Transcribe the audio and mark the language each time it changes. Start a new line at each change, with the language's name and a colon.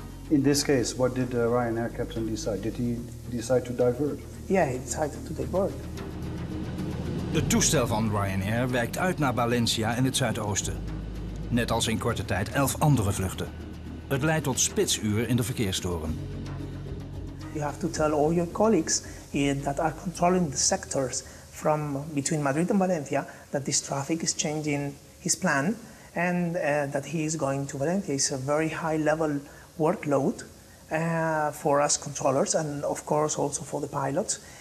English: In this case, what did the Ryanair captain decide? Did he decide to divert? Yeah, he decided to divert.
Dutch: Het toestel van Ryanair wijkt uit naar Valencia in het zuidoosten. Net als in korte tijd 11 andere vluchten. Het leidt tot spitsuur in de verkeerstoren.
English: You have to tell all your colleagues that are controlling the sectors from between Madrid and Valencia that this traffic is changing his plan and that he is going to Valencia. It's a very high level workload for us controllers and of course also for the pilots.